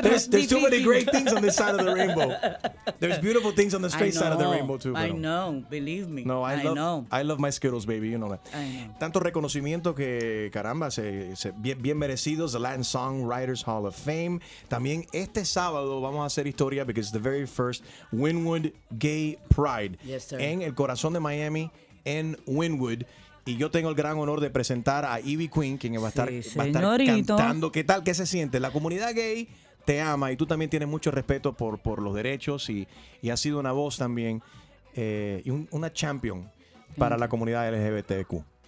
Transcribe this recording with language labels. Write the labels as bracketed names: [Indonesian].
[English] There's too many great things on this side of the rainbow. There's beautiful things on the straight side of the rainbow too. I know, believe me. No, I know. I love my Skittles, baby. You know that. I know. [Spanish] Tanto reconocimiento que, caramba, bien merecidos. [English] The Latin Songwriters Hall of Fame. [Spanish] También este sábado vamos a hacer historia [English] because it's the very first Wynwood Gay Pride. Yes, sir. [Spanish] En el corazón de Miami, en Wynwood. Y yo tengo el gran honor de presentar a Evie Queen, quien va a estar, sí, va a estar cantando. ¿Qué tal? ¿Qué se siente? La comunidad gay te ama y tú también tienes mucho respeto por los derechos y has sido una voz también y una champion para la comunidad LGBTQ.